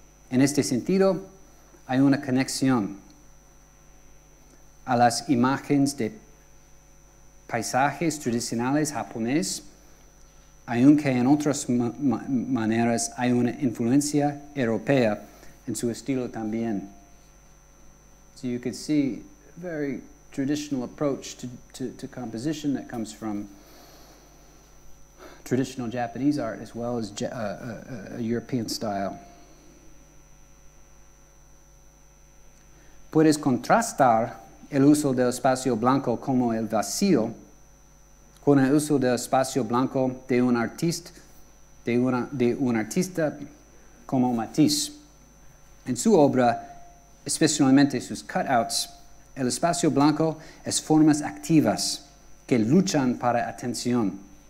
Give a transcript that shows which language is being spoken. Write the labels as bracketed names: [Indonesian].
[Spanish] En este sentido, hay una conexión a las imágenes de paisajes tradicionales japoneses, aunque en otras maneras hay una influencia europea en su estilo también. [English] So you could see a very traditional approach to composition that comes from traditional Japanese art as well as European style. [Spanish] Puedes contrastar el uso del espacio blanco como el vacío con el uso del espacio blanco de un artista, de un artista como Matisse. En su obra, especialmente sus cutouts, el espacio blanco es formas activas que luchan para atención.